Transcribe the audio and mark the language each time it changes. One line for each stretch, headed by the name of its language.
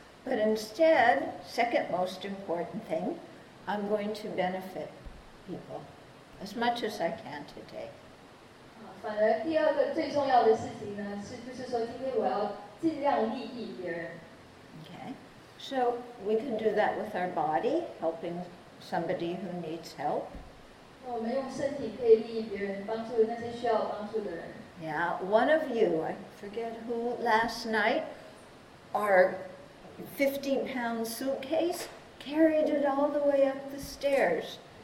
English: But instead, second most important thing, I'm going to benefit people as much as I can today.
Chinese: 反而第二个最重要的事情呢，是就是说今天我要尽量利益别人。
English: Okay. So we can do that with our body, helping somebody who needs help.
Chinese: 我们用身体可以利益别人，帮助那些需要帮助的人。Yeah,
English: one of you, I forget who, last night, our 50-pound suitcase carried it all the way up the stairs.